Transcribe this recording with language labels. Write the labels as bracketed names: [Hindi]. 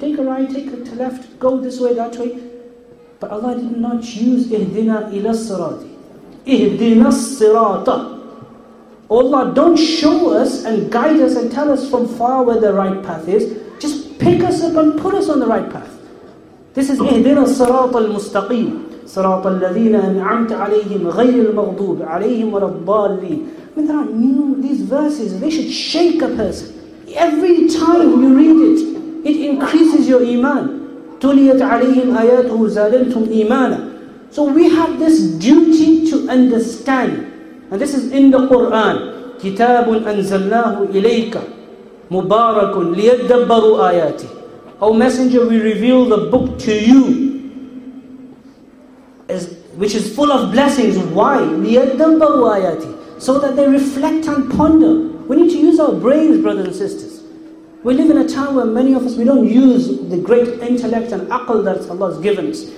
[English] Take a right, take a left, go this way, that way. But Allah did not choose [Arabic] ihdina ila sirati. Ihdina sirata. [English] Allah, don't show us and guide us and tell us from far where the right path is. Just pick us up and put us on the right path. This is [Arabic] ihdina sirata al-mustaqim. صراط الذين أنعمت عليهم غير المغضوب عليهم ولا الضالين. [English] I mean, there are new, these verses, they should shake a person. Every time you read it, it increases your iman. [Arabic] تليت عليهم آياته زادتهم إيمانا. [English] So we have this duty to understand. And this is in the Quran. [Arabic] كتاب أنزلناه إليك مبارك ليدبروا آياته. [English] O Messenger, we reveal the book to you, which is full of blessings. Why? [Arabic] لِيَدَّبَّرُوا آيَاتِ. [English] So that they reflect and ponder. We need to use our brains, brothers and sisters. We live in a time where many of us, we don't use the great intellect and aql that Allah has given us.